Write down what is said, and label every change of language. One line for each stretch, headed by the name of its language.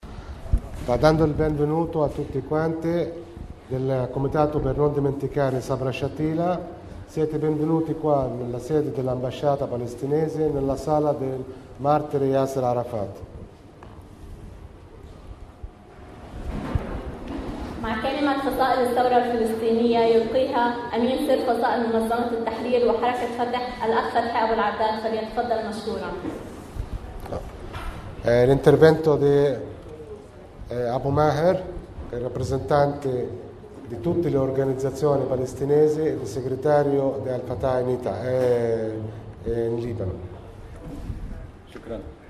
Italian: Sta dando il benvenuto a tutti quanti del Comitato per non dimenticare Sabra Shatila. Siete benvenuti qua nella sede dell'ambasciata palestinese, nella sala del martire Yasser Arafat.
Arabic: مع كلمة فصائل الثورة الفلسطينية يلقيها أمين سر فصائل منظمة التحرير وحركة فتح الأخ فتحي أبو العبدال فليتفضل مشكورا.
Italian: L'intervento di Abu Maher, il rappresentante di tutte le organizzazioni palestinesi e il segretario di Al-Fatah in Libano.
Arabic: Shukran.